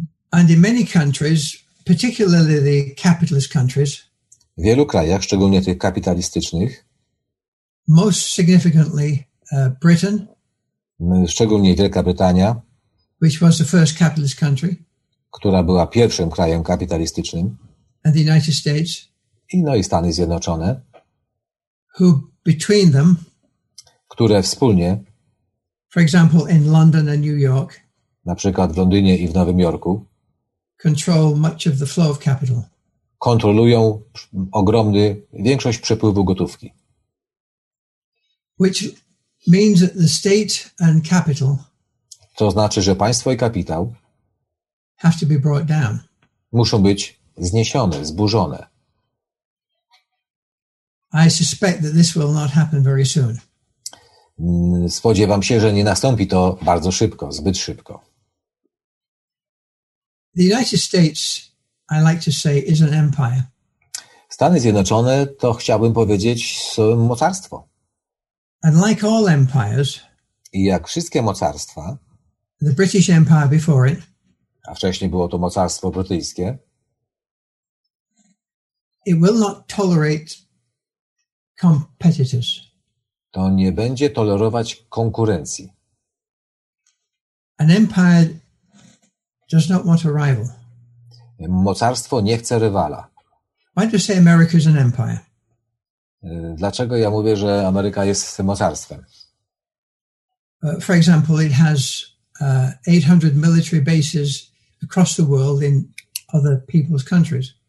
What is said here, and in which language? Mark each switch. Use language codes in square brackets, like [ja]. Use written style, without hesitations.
[en] And in many countries, particularly the capitalist countries, [pl] w wielu krajach, szczególnie tych kapitalistycznych, [en] most significantly Britain, [pl] szczególnie Wielka Brytania, [en] which was the first capitalist country, [pl] która była pierwszym krajem kapitalistycznym, [en] and the United States, [pl] i Stany Zjednoczone, [en] who between them, [pl] które wspólnie, [en] for example, in London and New York, [pl] na przykład w Londynie i w Nowym Jorku, [en] control much of the flow of capital. [pl] kontrolują ogromny większość przepływu gotówki. [en] Which means that the state and capital. [pl] To znaczy, że państwo i kapitał [en] have to be brought down. [pl] Muszą być zniesione, zburzone. [en] I suspect that this will not happen very soon. [pl] Spodziewam się, że nie nastąpi to bardzo szybko, zbyt szybko. [en] The United States, I like to say, is an empire. [pl] Stany Zjednoczone to, chciałbym powiedzieć, są mocarstwo. [en] And like all empires, [pl] i jak wszystkie mocarstwa, [en] the British Empire before it, [pl] a wcześniej było to mocarstwo brytyjskie, [en] it will not tolerate competitors. [pl] To nie będzie tolerować konkurencji. [en] An empire does not want a rival. [pl] Mocarstwo nie chce rywala. [en] Why do you say America is an empire? [pl] Dlaczego ja mówię, że Ameryka jest mocarstwem? [en] For example, it has 800 military bases across the world in other people's countries.